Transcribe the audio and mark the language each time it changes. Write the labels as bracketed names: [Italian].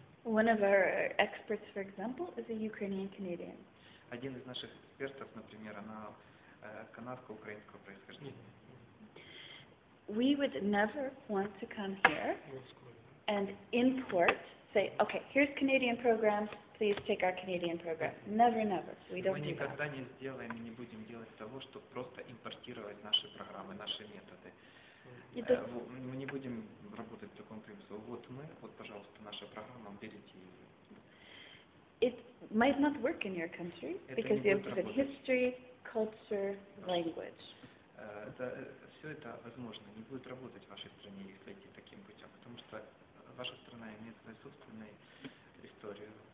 [English] One of our experts, for example, is a Ukrainian Canadian. [Russian] Один из наших экспертов, например, она канадско-украинского происхождения. [English] We would never want to come here and import, say, okay, here's Canadian programs. Please take our Canadian program. Never, never. We don't do that. [Russian] Мы никогда не сделаем и не будем делать того, чтобы просто импортировать наши программы, наши методы. Мы не будем работать в таком принципе. Вот мы, вот, пожалуйста, наша программа, берите ее. [English] It might not work in your country, because you have different history, culture, language. [Russian] Все это, возможно, не будет работать в вашей стране, если идти таким путем, потому что ваша страна имеет свою собственную историю.